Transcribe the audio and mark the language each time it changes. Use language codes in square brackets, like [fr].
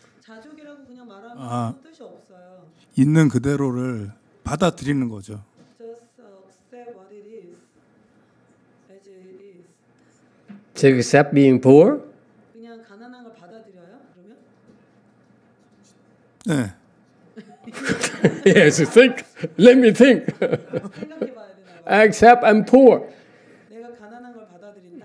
[ko] 자족이라고 그냥 말하면 뜻이 없어요. 있는 그대로를 받아들이는 거죠. [en] Just accept what it is, as it is. To accept being poor? [ko] 그냥 가난한 걸 받아들여요? 그러면? 네. [en] Yes, think. Let me think. Accept I'm poor. [ko] 내가 가난한 걸 받아들인다.